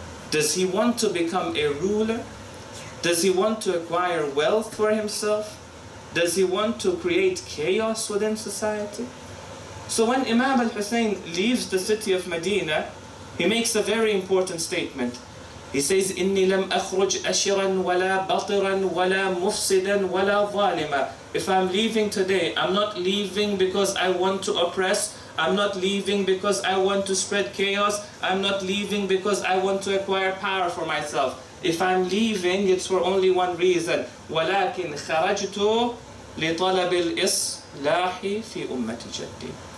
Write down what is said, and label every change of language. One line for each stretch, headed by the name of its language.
English: Does he want to become a ruler? Does he want to acquire wealth for himself? Does he want to create chaos within society? So when Imam al-Husayn leaves the city of Medina, he makes a very important statement. He says,
Arabic: إِنِّي لَمْ أَخْرُجْ أَشِرًا وَلَا بَطِرًا وَلَا مُفْسِدًا وَلَا ظَالِمًا.
English: If I'm leaving today, I'm not leaving because I want to oppress. I'm not leaving because I want to spread chaos. I'm not leaving because I want to acquire power for myself. If I'm leaving, it's for only one reason.
Arabic: وَلَكِنْ خَرَجْتُ لِطَلَبِ الْإِصْلَاحِ فِي أُمَّةِ جَدِّي.